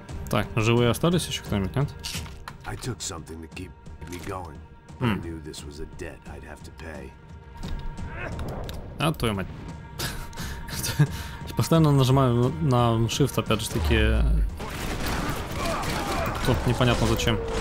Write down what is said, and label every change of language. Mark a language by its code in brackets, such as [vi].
[ru] Так, живые остались еще кто-нибудь, нет? [en] I took something to keep me going. I knew this was a debt I'd have to pay. [ru] А твою мать. Постоянно нажимаю на shift, опять же таки. Тут непонятно зачем.